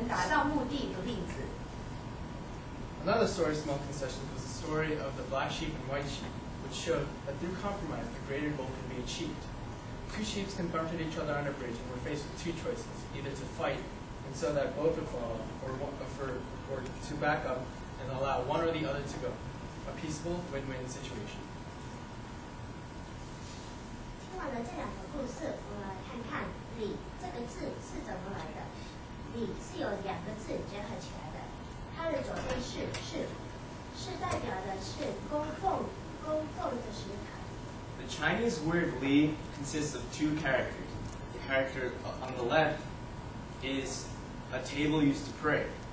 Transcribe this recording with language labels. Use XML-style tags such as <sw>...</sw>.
<zh>第二个故事是有一只黑羊和一只白羊过独木桥，这就是另一个彼此礼让才能达到目的的例子。Another</zh> <en>story of small concessions was the story of the black sheep and white sheep, which showed that through compromise, the greater goal could be achieved. Two sheep confronted each other on a bridge and were faced with two choices: either to fight and so that both would fall, or to back up and allow one or the other to go. A peaceful win-win situation.</en> <zh>看完了这两个故事，我们来看看"礼"这个字是怎么来的。"礼"是由两个字结合起来的，它的左边是"是"，是代表的是供奉的食材。The</zh> <en>Chinese word "li" consists of two characters. The character on the left is a table used to pray.</en>